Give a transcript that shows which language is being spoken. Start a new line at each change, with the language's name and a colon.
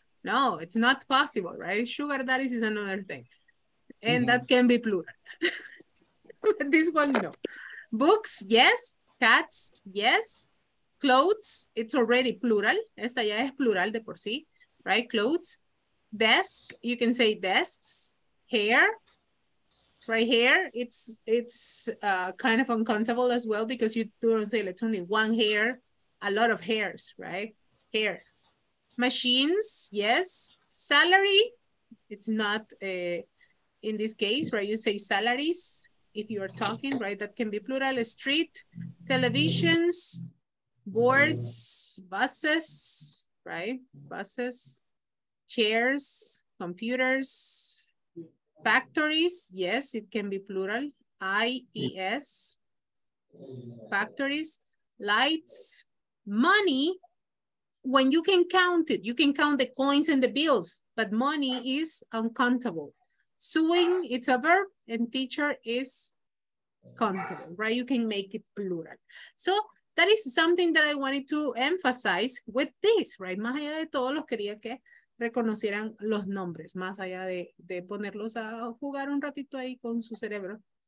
English: No, it's not possible, right? Sugar daddies is another thing. And that can be plural. But this one, no. Books, yes. Cats, yes. Clothes, it's already plural.
Spanish: Esta ya es plural de por sí, right?
English: Clothes. Desk, you can say desks. Hair. Right here, it's kind of uncountable as well because you don't say it's only one hair, a lot of hairs, right? Hair. Machines, yes. Salary, it's not in this case, right? You say salaries if you are talking, right? That can be plural. A street, televisions, boards, buses, right? Buses, chairs, computers. Factories, yes, it can be plural. IES. Factories, lights, money. When you can count it, you can count the coins and the bills, but money is uncountable. Sewing, it's a verb, and teacher is countable, right? You can make it plural. So that is something that I wanted to emphasize with this, right?
Spanish: Más allá de todo, los quería que reconocieran los nombres, más allá de ponerlos a jugar un ratito ahí con su cerebro.